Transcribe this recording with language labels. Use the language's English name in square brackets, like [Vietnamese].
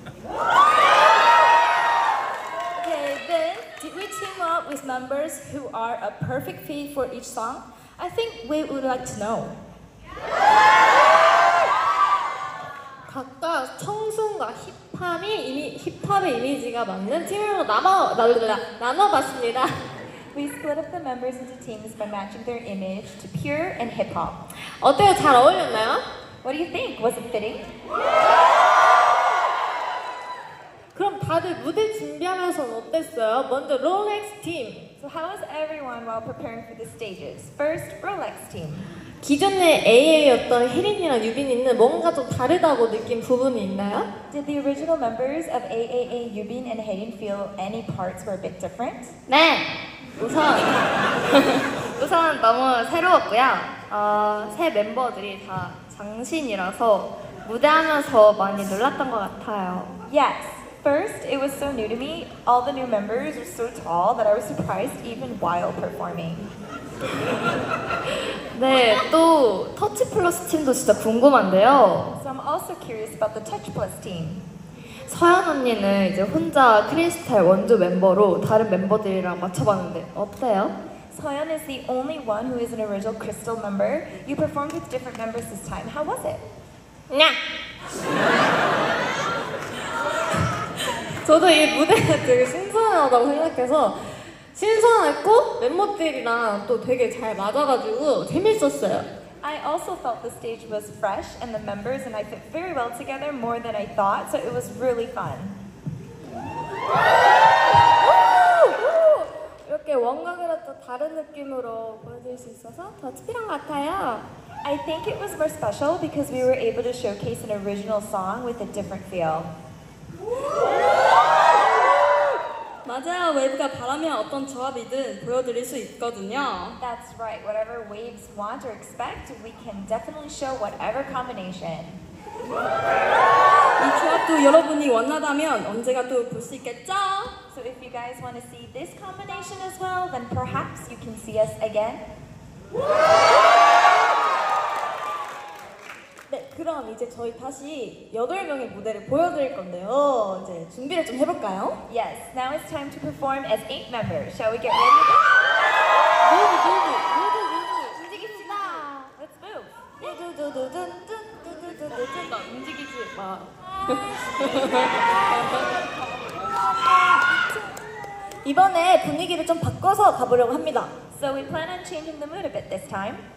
[English] Okay, then did we team up with members who are a perfect fit for each song? I think we would like to know. [Korean] 각각 청순과 힙함이 이미 힙합의 이미지가 맞는 팀으로 나눠봤습니다. [English] We split up the members into teams by matching their image to pure and hip hop. [Korean] 어때요? 잘 어울렸나요? [English] What do you think? Was it fitting? [Korean] 그럼 다들 무대 준비하면서 어땠어요? 먼저 Rolex team. [English] So how was everyone while preparing for the stages? First, Rolex team. [Korean] 기존의 AA였던 혜린이랑 유빈이는 뭔가 좀 다르다고 느낀 부분이 있나요? [English] Did the original members of AAA, Yubin and Haerin feel any parts were a bit different? [Korean] 네! 우선 너무 새로웠고요. 새 멤버들이 다 장신이라서 무대하면서 많이 놀랐던 것 같아요. [English] Yes! First, it was so new to me. All the new members were so tall that I was surprised even while performing. [Korean] 네, 또 터치 플러스 팀도 진짜 궁금한데요. [English] So I'm also curious about the touch plus team. [Korean] 서현 언니는 이제 혼자 크리스탈 원조 멤버로 다른 멤버들이랑 맞춰봤는데 어때요? [English] Seoyeon is the only one who is an original crystal member. You performed with different members this time. How was it? 냐! [Korean] 저도 이 무대가 되게 신선하다고 생각해서 신선했고 멤버들이랑 또 되게 잘 맞아가지고 재밌었어요. [English] I also felt the stage was fresh and the members and I fit very well together more than I thought, so it was really fun. [Korean] 이렇게 원곡이랑 또 다른 느낌으로 보여드릴 수 있어서 더 특별한 것 같아요. [English] I think it was more special because we were able to showcase an original song with a different feel. [Korean] 맞아요. 웨이브가 바라면 어떤 조합이든 보여드릴 수 있거든요. [English] That's right. Whatever waves want or expect, we can definitely show whatever combination. [Korean] 이 조합도 여러분이 원하다면 언제가 또 볼 수 있겠죠? [English] So if you guys want to see this combination as well, then perhaps you can see us again. [Korean] 네, 그럼 이제 저희 다시 8명의 무대를 보여드릴 건데요. 이제 준비를 좀 해볼까요? [English] Yes, now it's time to perform as 8 members. Shall we get ready? [Korean] 무대, 무대, 움직입니다. [English] Let's move. [Korean] 움직이지 마. 이번에 분위기를 좀 바꿔서 가보려고 합니다. [English] So we plan on changing the mood a bit this time.